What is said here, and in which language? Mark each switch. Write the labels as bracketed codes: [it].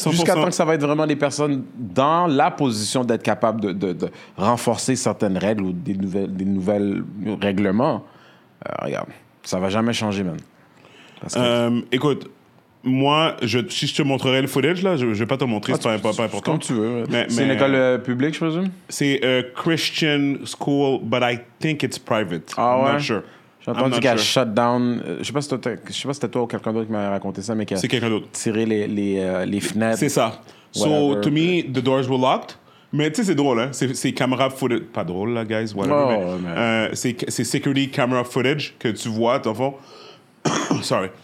[fr] jusqu'à temps que ça va être vraiment des personnes dans la position d'être capable de renforcer certaines règles ou des nouvelles règlements. Regarde, ça va jamais changer, man. Écoute, moi, si je te montrerais le footage là, je vais pas te montrer, c'est pas important. Comme tu veux. Mais c'est une école publique, je présume. C'est [en] a Christian school, but I think it's private. [fr] Ah ouais. [en] I'm not sure. [fr] J'ai entendu qu'il a shut down. Je sais pas si c'était toi ou quelqu'un d'autre qui m'avait raconté ça, mais c'est quelqu'un d'autre. Tiré les fenêtres. C'est ça. [en] Whatever. So, to me, the doors were locked. [fr] Mais tu sais, c'est drôle, hein. C'est camera footage. Pas drôle, là, guys. Whatever. Oh, c'est security camera footage que tu vois, ton fond. Sorry.